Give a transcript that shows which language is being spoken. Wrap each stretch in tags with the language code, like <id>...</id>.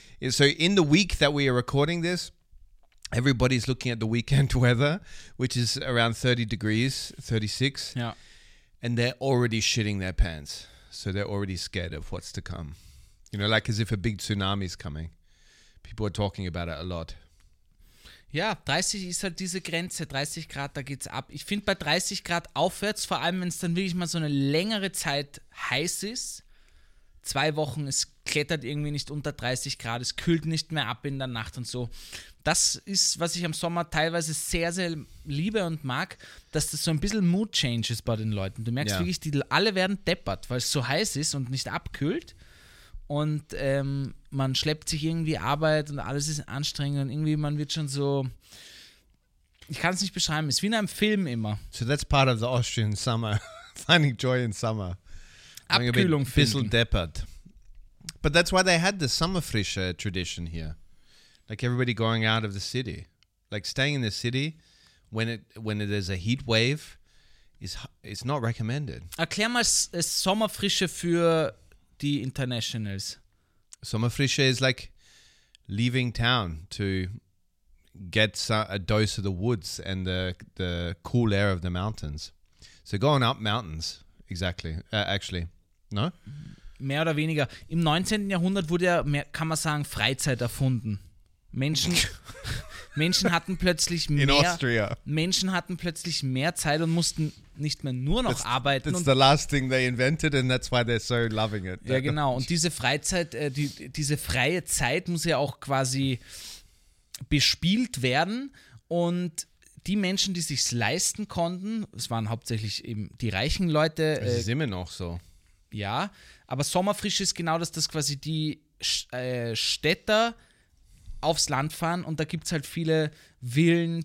<en>So in the week that we are recording this, everybody's looking at the weekend weather, which is around 30 degrees, 36. Yeah. And they're already shitting their pants. So they're already scared of what's to come. You know, like as if a big tsunami is coming. People are talking about it a lot.</en> <de>Ja, 30 ist halt diese Grenze. 30 Grad, da geht's ab. Ich finde bei 30 Grad aufwärts, vor allem wenn es dann wirklich mal so eine längere Zeit heiß ist, zwei Wochen, es klettert irgendwie nicht unter 30 Grad, es kühlt nicht mehr ab in der Nacht und so. Das ist, was ich am Sommer teilweise sehr, sehr liebe und mag, dass das so ein bisschen Mood changes bei den Leuten. Du merkst wirklich, die alle werden deppert, weil es so heiß ist und nicht abkühlt. Und man schleppt sich irgendwie Arbeit und alles ist anstrengend und irgendwie man wird schon so, ich kann es nicht beschreiben, es ist wie in einem Film immer.</de> <en>So that's part of the Austrian summer, finding joy in summer.</en> <de>Abkühlung finden. Ein bisschen deppert.</de> <en>But that's why they had the Sommerfrische tradition here. Like everybody going out of the city. Like staying in the city when there's a heat wave is not recommended.</en> <de>Erklär mal Sommerfrische für die Internationals.</de> <en>Sommerfrische is like leaving town to get a dose of the woods and the cool air of the mountains. So going up mountains, exactly, actually. No?</en> <de>Mehr oder weniger. Im 19. Jahrhundert wurde ja, kann man sagen, Freizeit erfunden. Menschen hatten plötzlich mehr...</de> <en>In Austria.</en> <de>Menschen hatten plötzlich mehr Zeit und mussten nicht mehr nur noch arbeiten.</de> <en>That's the last thing they invented and that's why they're so loving it.</en> <de>Ja, genau. Und diese Freizeit, diese freie Zeit muss ja auch quasi bespielt werden. Und die Menschen, die sich's leisten konnten, es waren hauptsächlich eben die reichen Leute. Das ist immer noch so. Ja, aber Sommerfrische ist genau das, dass quasi die Städter aufs Land fahren und da gibt es halt viele Villen.</de>